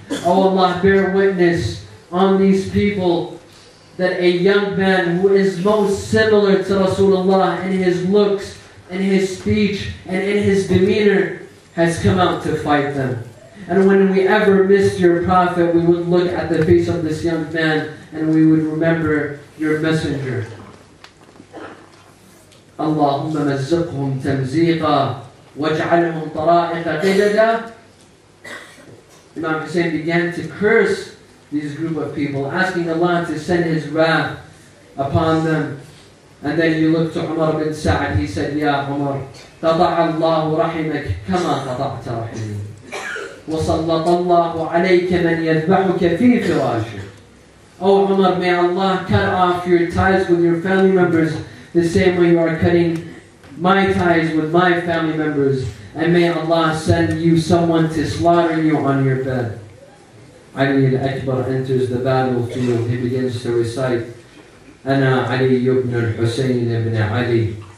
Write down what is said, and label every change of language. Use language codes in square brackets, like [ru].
[en] Oh Allah, bear witness on these people that a young man who is most similar to Rasulullah in his looks, in his speech, and in his demeanor has come out to fight them. And when we ever missed your Prophet, we would look at the face of this young man and we would remember your messenger. [ar] اللهم مزقهم تمزيقا واجعلهم طرائق قددا. [en] Imam Hussein began to curse these group of people, asking Allah to send his wrath upon them. And then you look to Umar bin Sa'ad, he said, [ar] "Ya Umar, قطع الله رحمك كما قطعت رحمي وسلط الله عليك من يذبحك في فراشك." [en] Oh Umar, may Allah cut off your ties with your family members the same way you are cutting my ties with my family members. And may Allah send you someone to slaughter you on your bed. Ali al-Akbar enters the battlefield. He begins to recite, "Ana Ali ibn al-Husayn ibn Ali.